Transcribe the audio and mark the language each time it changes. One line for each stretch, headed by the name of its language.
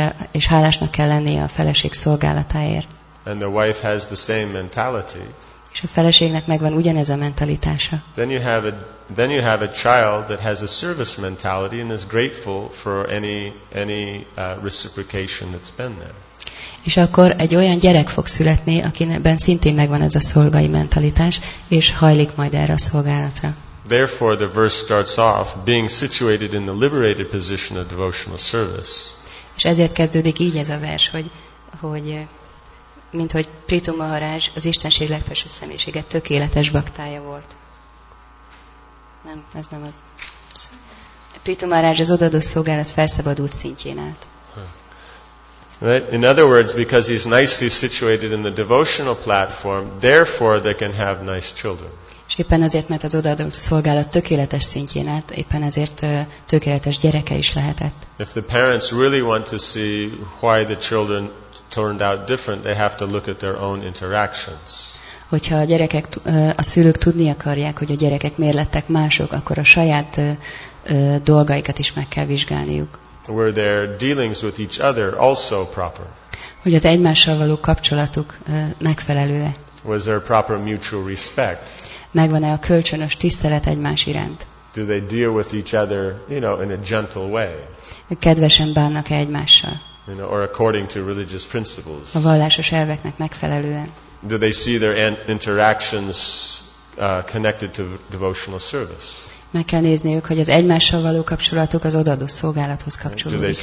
Hungarian: És hálásnak kell lennie a feleség szolgálatáért.
English: And the wife has the same mentality.
Hungarian: És a feleségnek megvan ugyanez a mentalitása.
English: Then you have a child that has a service mentality and is grateful for any reciprocation that's been there.
Hungarian: És akkor egy olyan gyerek fog születni, akiben szintén megvan ez a szolgai mentalitás, és hajlik majd erre a szolgálatra.
English: Therefore the verse starts off being situated in the liberated position of devotional service.
Hungarian: És ezért kezdődik így ez a vers, hogy mint hogy Prithu Maharaj az Istenség legfelsőbb személyisége tökéletes baktája volt. Nem, ez nem az. Prithu Maharaj az odaadó szolgálat felszabadult szintjén állt.
English: Right? In other words, because he's nicely situated in the devotional platform, therefore they can have nice children.
Hungarian: És éppen azért, mert az odaadó szolgálat tökéletes szintjén állt, éppen ezért tökéletes gyereke is lehetett.
English: If the parents really want to see why the children turned out different, they have to look at their own interactions.
Hungarian: Hogyha a gyerekek, a szülők tudni akarják, hogy a gyerekek miért lettek mások, akkor a saját dolgaikat is meg kell vizsgálniuk.
English: Were their dealings with each other also proper?
Hungarian: Hogy az egymással való kapcsolatuk megfelelő-e?
English: Was there proper mutual respect?
Hungarian: Megvan-e a kölcsönös tisztelet egymás iránt?
English: Do they deal with each other, you know, in a gentle way?
Hungarian: Kedvesen bánnak-e egymással?
English: You know, or according to religious principles.
Hungarian: A vallásos elveknek megfelelően.
English: Do they see their interactions connected to devotional service?
Hungarian: Meg kell nézniük, hogy az egymással való kapcsolatuk az odaadó szolgálathoz kapcsolódik.